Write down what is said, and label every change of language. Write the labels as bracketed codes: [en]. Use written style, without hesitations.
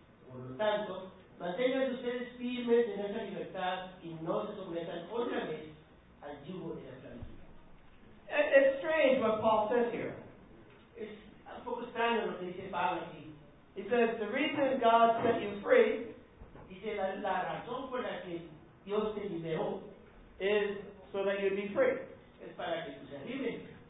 [es] Por lo tanto, mantengan ustedes firmes en esa libertad y no se sometan otra vez al yugo de la esclavitud. [en] It's strange what Paul says here. [es] It's a poco extraño lo que dice Pablo aquí. [en] He says, the reason God set you free, [es] dice, la razón por la que Dios te liberó, [en] is so that you'd be free. [es] Es para que tú seas libre.